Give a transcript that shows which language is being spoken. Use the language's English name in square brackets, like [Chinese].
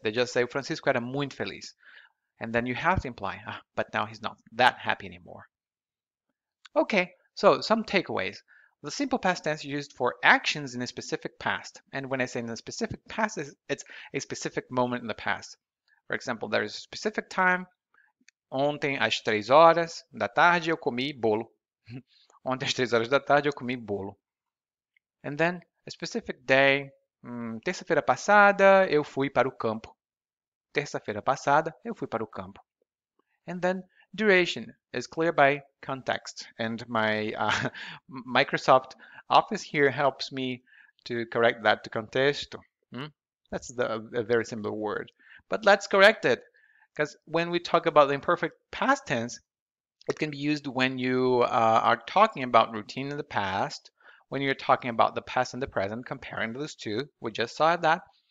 [English] They just say [Portuguese] Francisco era muito feliz, [English] and then you have to imply, ah, but now he's not that happy anymore. Okay, so some takeaways: the simple past tense used for actions in a specific past, and when I say in a specific past, it's a specific moment in the past. For example, there is a specific time. [Portuguese] Ontem às 3 horas da tarde eu comi bolo. Ontem às 3 horas da tarde eu comi bolo. [English] And then a specific day. [Portuguese] Terça-feira passada eu fui para o campo. Terça-feira passada, eu fui para o campo. [English] And then duration is clear by context. And my Microsoft Office here helps me to correct that to contexto. That's a very simple word. But let's correct it. Because when we talk about the imperfect past tense, it can be used when you are talking about routine in the past, when you're talking about the past and the present, comparing those two, we just saw that.